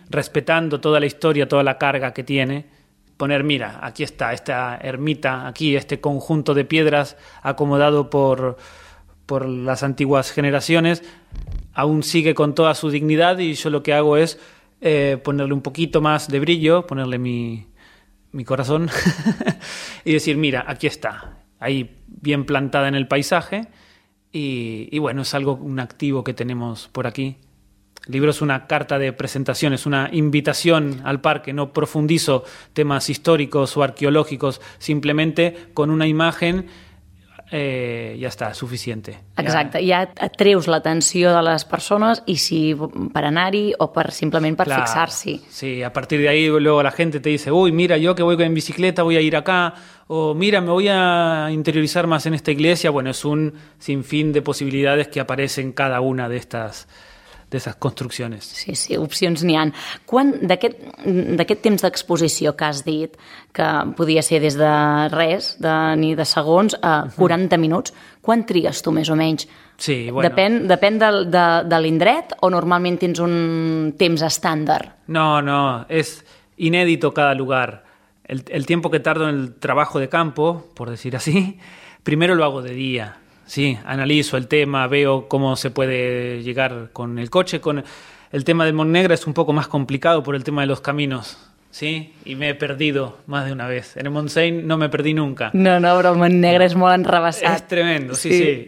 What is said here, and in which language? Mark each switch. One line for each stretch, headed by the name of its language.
Spanish: Respetando toda la historia, toda la carga que tiene. Poner, mira, aquí está esta ermita, aquí este conjunto de piedras acomodado por las antiguas generaciones, aún sigue con toda su dignidad, y yo lo que hago es ponerle un poquito más de brillo, ponerle mi corazón y decir, mira, aquí está, ahí bien plantada en el paisaje, y bueno, es algo, un activo que tenemos por aquí. El libro es una carta de presentación, es una invitación al parque. No profundizo temas históricos o arqueológicos, simplemente con una imagen
Catalan: ja està, suficient. Exacte, ja atreus l'atenció de les persones, i si per anar-hi o per simplement per fixar-s'hi.
Spanish: Sí, a partir de ahí luego la gente te dice, uy, mira, yo que voy en bicicleta voy a ir acá, o mira, me voy a interiorizar más en esta iglesia. Bueno, es un sinfín de posibilidades que aparecen cada una
Catalan: d'aquestes construccions. Sí, sí, opcions n'hi han. Quan d'aquest temps d'exposició que has dit, que podia ser des de res, ni de segons, a 40 minuts, quan tries tu més o menys?
Spanish: Sí, bueno.
Catalan: Depèn de l'indret, o normalment tens un temps estàndard? No, és inèdit cada lloc. El temps que tardo en el treball de campo, per dir així, primer
Spanish: lo hago
Catalan: de dia.
Spanish: Sí, analizo el tema, veo cómo se puede llegar con el coche. Con el tema del Montnegro es un poco más complicado por el tema de los caminos, ¿sí? Y me he perdido más de una vez. En el Montseny no me perdí nunca. No, pero el Montnegro es muy enrabassat. Es tremendo, sí.